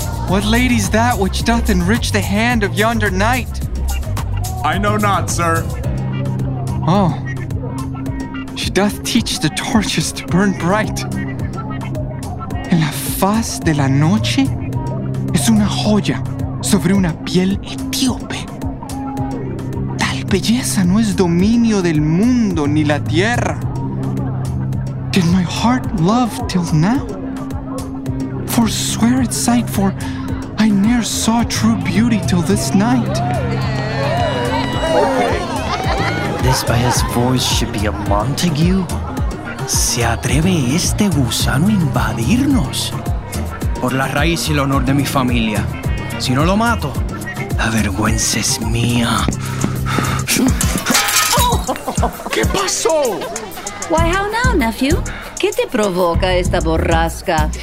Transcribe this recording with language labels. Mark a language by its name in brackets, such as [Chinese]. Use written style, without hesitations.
[English] What lady's that which doth enrich the hand of yonder knight? I know not, sir. Oh. She doth teach the torches to burn bright. [Spanish] En la faz de la noche es una joya sobre una piel etíope. Tal belleza no es dominio del mundo ni la tierra. [English] Did my heart love till now? Forswear its sight, for I ne'er saw true beauty till this night. This by his voice should be a Montague. [Spanish] ¿Se atreve este gusano a invadirnos? Por la raíz y el honor de mi familia. Si no lo mato, la vergüenza es mía. ¿Qué pasó? [English] Why, how now, nephew? [Spanish] ¿Qué te provoca esta borrasca?